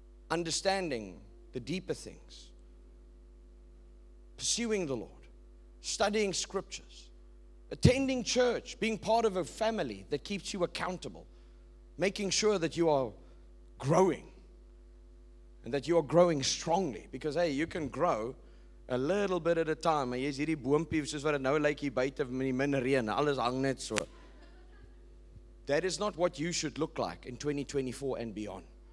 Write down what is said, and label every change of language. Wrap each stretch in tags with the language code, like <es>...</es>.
<en>Understanding the deeper things. Pursuing the Lord. Studying scriptures, attending church, being part of a family that keeps you accountable, making sure that you are growing and that you are growing strongly. Because, hey, you can grow a little bit at a time.</en> <af>Yes, hierdie boompie soos wat nou lyk, hier buite met die min reën, alles hang net so.</af> <en>That is not what you should look like in 2024 and beyond.</en>